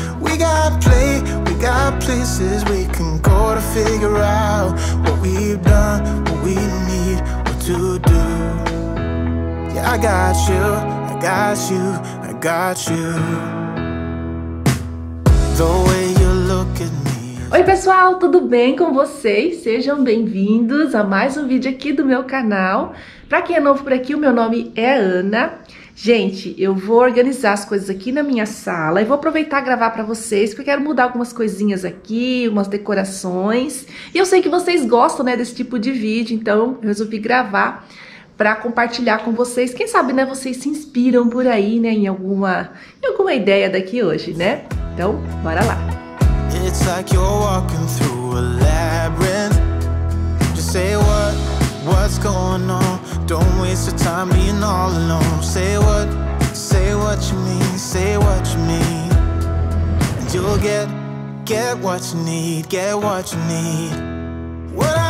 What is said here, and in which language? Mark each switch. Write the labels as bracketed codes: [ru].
[en] We got places we can go to figure out what we've done, what we need, what to do. Yeah, I got you, I got you, I got you. The way you look at me. [pt] Oi pessoal, tudo bem com vocês? Sejam bem-vindos a mais um vídeo aqui do meu canal. Pra quem é novo por aqui, o meu nome é Ana. Gente, eu vou organizar as coisas aqui na minha sala e vou aproveitar e gravar pra vocês, porque eu quero mudar algumas coisinhas aqui, umas decorações. E eu sei que vocês gostam, né, desse tipo de vídeo, então eu resolvi gravar pra compartilhar com vocês. Quem sabe, né, vocês se inspiram por aí, né, em alguma ideia daqui hoje, né? Então, bora lá! [en] It's like you're walking through a labyrinth. Just say what's going on. Don't waste your time being all alone. Say what you mean, say what you mean. And you'll get what you need, get what you need.